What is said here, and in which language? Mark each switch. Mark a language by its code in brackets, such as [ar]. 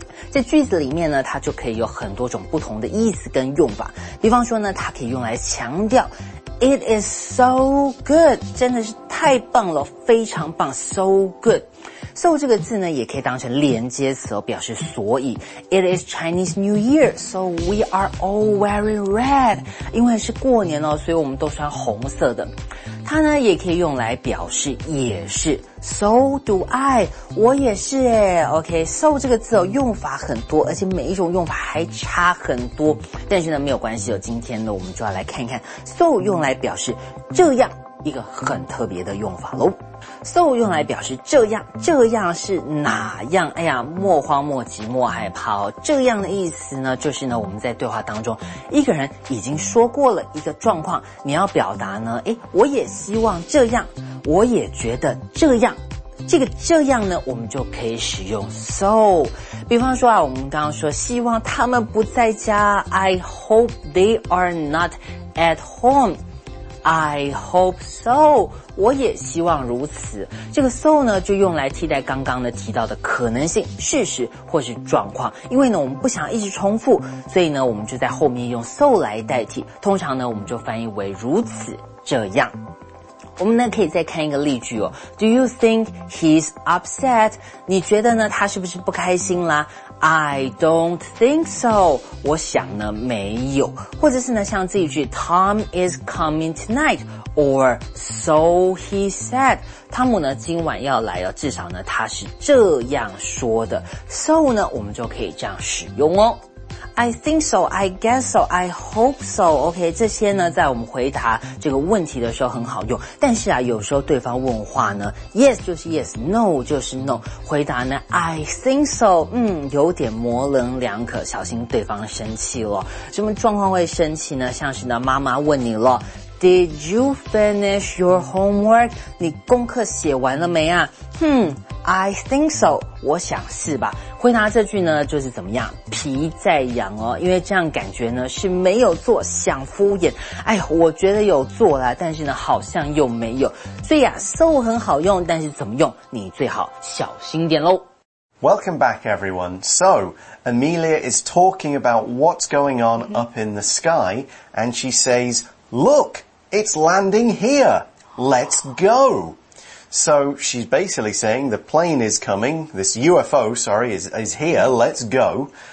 [zh] 在句子里面呢，它就可以有很多种不同的意思跟用法。比方说呢，它可以用来强调 , [en] It is so good, [zh] 真的是太棒了，非常棒 ,so good。 So 这个字呢也可以当成连接词，表示所以。 [en] It is Chinese New Year, so we are all wearing red. [zh] 因为是过年了，所以我们都穿红色的。它呢也可以用来表示也是。 [en] So do I, [zh] 我也是耶。 OK, so 这个字用法很多，而且每一种用法还差很多。但是呢没有关系，今天呢我们就要来看看 so 用来表示这样一个很特别的用法咯。 So 用来表示这样，这样是哪样？哎呀，莫慌莫急莫害怕哦。这样的意思呢，就是呢我们在对话当中，一个人已经说过了一个状况，你要表达呢，哎，我也希望这样，我也觉得这样。这个这样呢，我们就可以使用 so。比方说啊，我们刚刚说希望他们不在家 ， [en] I hope they are not at home。 I hope so, [zh] 我也希望如此。这个 so 呢就用来替代刚刚的提到的可能性、事实或是状况。因为呢我们不想一直重复，所以呢我们就在后面用 so 来代替，通常呢我们就翻译为如此这样。我们呢可以再看一个例句哦。 [en] Do you think he's upset? [zh] 你觉得呢他是不是不开心啦？ [en] I don't think so. [zh] 我想呢没有。或者是呢像这一句 [en] Tom is coming tonight, or so he said. [zh] 汤姆呢今晚要来了，至少呢他是这样说的。 So 呢我们就可以这样使用哦。 [en] I think so, I guess so, I hope so. [zh] OK, 这些呢在我们回答这个问题的时候很好用。但是啊有时候对方问话呢 ,yes 就是 yes, no 就是 no。回答呢 , [en] I think so, [zh] 有点模棱两可，小心对方生气了。什么状况会生气呢？像是呢妈妈问你了 , [en] Did you finish your homework? [zh] 你功课写完了没啊？ [en] I think so, [zh] 我想是吧。回答这句呢就是怎么样，皮在痒哦，因为这样感觉呢是没有做，想敷衍。哎呦，我觉得有做啦，但是呢好像又没有。所以啊 so 很好用，但是怎么用你最好小心点咯。 [en] Welcome back everyone. So, Amelia is talking about what's going on up in the sky, and she says, look, it's landing here. Let's go. So she's basically saying the plane is coming, this UFO, sorry, is here, let's go.